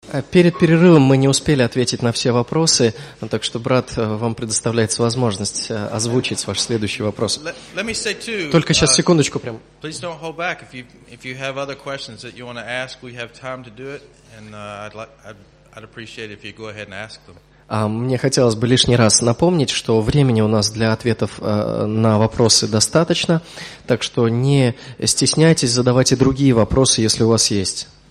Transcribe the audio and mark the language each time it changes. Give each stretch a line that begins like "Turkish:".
Russian: Перед перерывом мы не успели ответить на все вопросы, так что, брат, вам предоставляется возможность озвучить ваш следующий вопрос. Только сейчас, секундочку прям.
English: Please don't hold back. If you have other questions that you want to ask, we have time to do it, and I'd appreciate if you go ahead and ask them.
Russian: Мне хотелось бы лишний раз напомнить, что времени у нас для ответов на вопросы достаточно, так что не стесняйтесь, задавайте другие вопросы, если у вас есть.